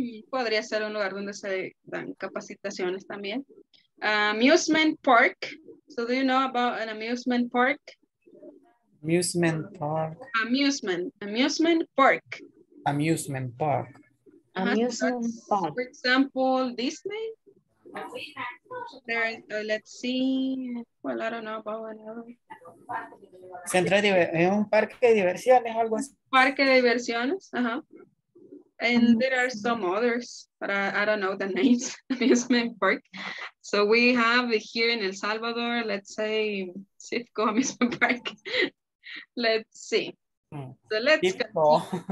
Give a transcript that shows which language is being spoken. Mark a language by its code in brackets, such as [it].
[es] Podría ser un lugar donde se dan capacitaciones también. [en] Amusement park. So do you know about an amusement park? Amusement park. Amusement. Amusement park. Amusement park. Amusement park. For example, Disney. There, let's see. Well, I don't know about another. [es] Centro de, es un parque de diversiones o algo así. Parque de diversiones, ajá. [en] And there are some others, but I don't know the names. Amusement park. So we have here in El Salvador, let's say, Cifco Amusement Park. Let's see. So let's go.